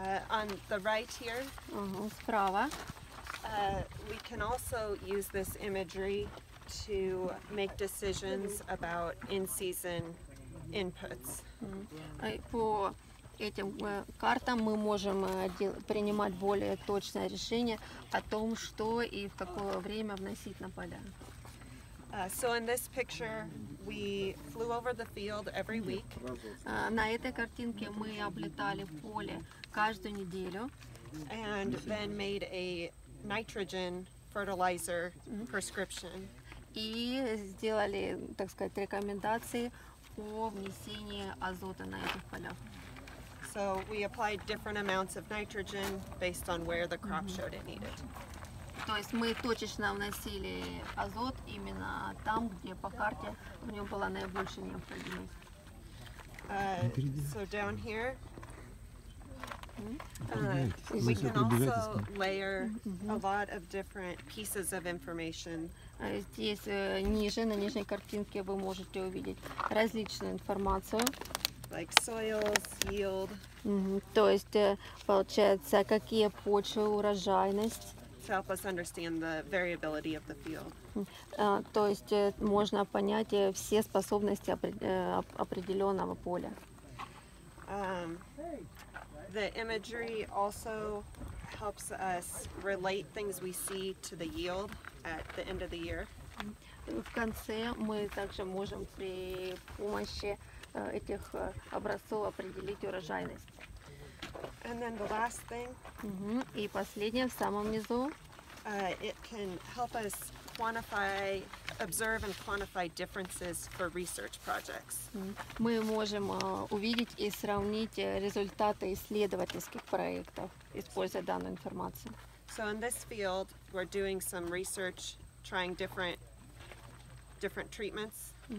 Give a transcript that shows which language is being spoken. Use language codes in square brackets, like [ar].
[en] On the right here. [ru] Справа. [en] We can also use this imagery to make decisions about in-season inputs. [ru] Этим картам мы можем принимать более точное решение о том, что и в какое время вносить на поля. [en] So in this picture we flew over the field every week. [ru] На этой картинке мы облетали поле каждую неделю. [en] And then made a nitrogen fertilizer prescription. [ru] И сделали, так сказать, рекомендации по внесению азота на этих полях. [en] So we applied different amounts of nitrogen based on where the crop showed it needed. [ru] То есть мы точечно вносили азот именно там, где по карте в нём была наибольшая необходимость. [en] So down here. We can also layer a lot of different pieces of information. [ru] Здесь ниже на нижней картинке вы можете увидеть различную информацию. [en] Like soils, yield. [ru] То есть получается, какие почвы, урожайность. [en] To help us understand the variability of the field. [ru] То есть можно понять все способности определенного поля. [en] The imagery also helps us relate things we see to the yield at the end of the year. [ru] В конце мы также можем при помощи этих образцов определить урожайность. [en] And then the last thing. [ru] И последнее в самом низу. [en] It can help us quantify, observe and quantify differences for research projects. [ru] Мы можем увидеть и сравнить результаты исследовательских проектов, используя данную информацию. [en] So in this field, we're doing some research, trying different treatments.